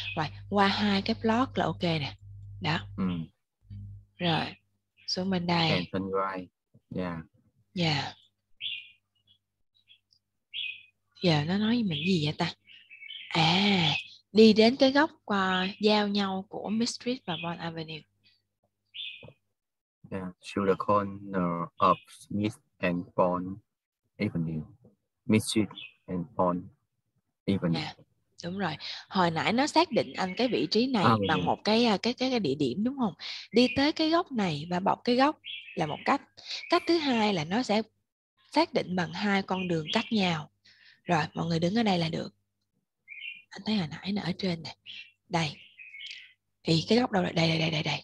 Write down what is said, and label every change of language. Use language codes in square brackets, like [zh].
[vi] Rồi, qua hai cái block là ok nè. Đó. Rồi, xuống bên đây. [en] And turn right. Yeah. [vi] Yeah. Giờ nó nói mình gì vậy ta? À, đi đến cái góc qua giao nhau của Miss Street và Bond Avenue. [en] Yeah, to the corner of Miss and Bond Avenue. Miss Street and Bond Avenue. Yeah. [vi] Đúng rồi. Hồi nãy nó xác định anh cái vị trí này bằng một cái địa điểm đúng không? Đi tới cái góc này và bọc cái góc là một cách. Cách thứ hai là nó sẽ xác định bằng hai con đường cách nhau. Rồi, mọi người đứng ở đây là được. Anh thấy hồi nãy nó ở trên này. Đây. Thì cái góc đâu? Đây.